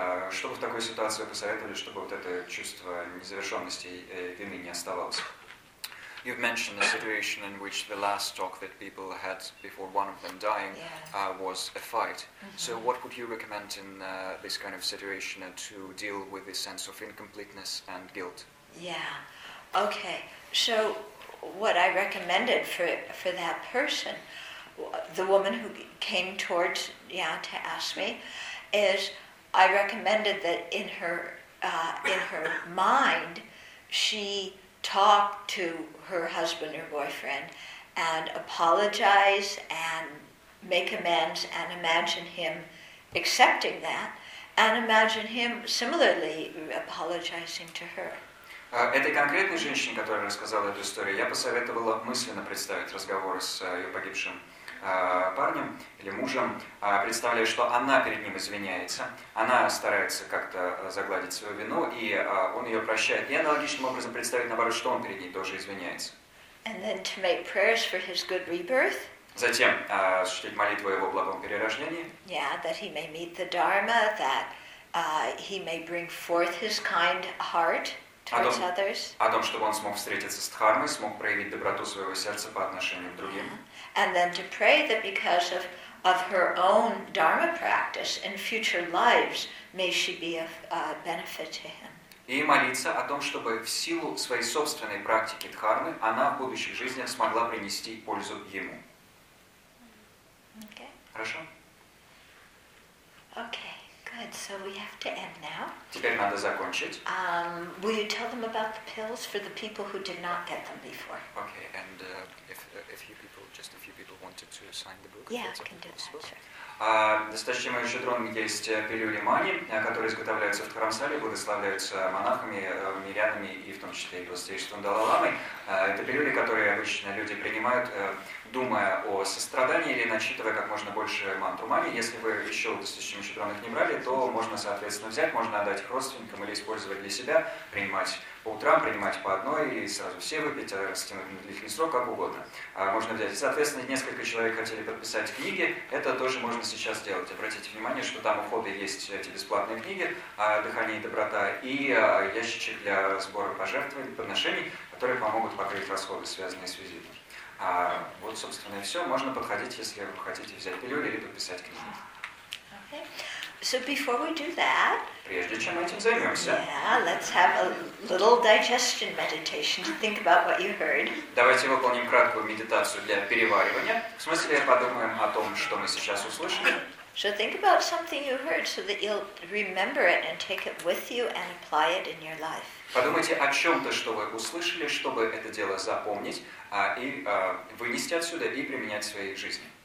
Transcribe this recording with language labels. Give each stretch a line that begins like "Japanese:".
Russian: Что бы в такой ситуации вы посоветовали, чтобы вот это чувство незавершенности и вины не оставалось?
English: You've mentioned the situation in which the last talk that people had before one of them dying was a fight. Mm-hmm. So what would you recommend in this kind of situation to deal with this sense of incompleteness and guilt? Yeah, okay. So what I recommended for that person, the woman who came towards to ask me, is I recommended that in her mind she talk to her husband or boyfriend and apologize and make amends and imagine him accepting that and imagine him similarly apologizing to her.
Russian: Этой конкретной женщине, которая рассказала эту историю, я посоветовала мысленно представить разговор с ее погибшим парнем или мужем, представляя, что она перед ним извиняется, она старается как-то загладить свою вину, и он ее прощает. И аналогичным образом представить, наоборот, что он перед ней тоже извиняется.
English: And then to make prayers for his good rebirth.
Russian: Затем осуществить молитву о его благом перерождении.
English: Yeah, that he may meet the Dharma, that he may bring forth his kind heart towards others.
Russian: О том, чтобы он смог встретиться с Дхармой, смог проявить доброту своего сердца по отношению к другим.
English: Yeah. And then to pray that because of her own dharma practice in future lives, may she be of benefit to him.
Russian: И молиться о том, чтобы в силу своей собственной практики дхармы она в будущих жизнях смогла принести пользу ему.
English: Okay.
Russian: Хорошо.
English: Okay. Good. So we have to end now.
Russian: Теперь надо закончить.
English: Will you tell them about the pills for the people who did not get them before? Okay. And if you people. Just a few people wanted to sign the book. Yeah, I can do that, sure.
Russian: Достаточно мой шедрон есть пилюли мани, которые изготавливаются в Тхарамсале, благословляются монахами, мирянами и в том числе и Благословенным Далай-ламой. Это пилюли, которые обычно люди принимают, думая о сострадании или начитывая как можно больше мантру мани. Если вы еще достаточно шедрон их не брали, то можно, соответственно, взять, можно отдать их родственникам или использовать для себя, принимать по утрам, принимать по одной и сразу все выпить, растянуть на длительный срок, как угодно. Можно взять. И, соответственно, несколько человек хотели подписать книги, это тоже можно сейчас делать. Обратите внимание, что там у входа есть эти бесплатные книги «Дыхание и доброта» и ящичек для сбора пожертвований, подношений, которые помогут покрыть расходы, связанные с визитом. Вот, собственно, и все. Можно подходить, если вы хотите взять пилюли или подписать книги.
English: Okay. So before we do that,
Russian: прежде чем этим займемся,
English: let's have a little digestion meditation to think about what you heard.
Russian: Давайте выполним краткую медитацию для переваривания. В смысле, подумаем о том, что мы сейчас услышали.
English: So think about something you heard so that you'll remember it and take it with you and apply it in your life.
Russian: Подумайте о чем-то, что вы услышали, чтобы это дело запомнить, и вынести отсюда и применять в своей жизни.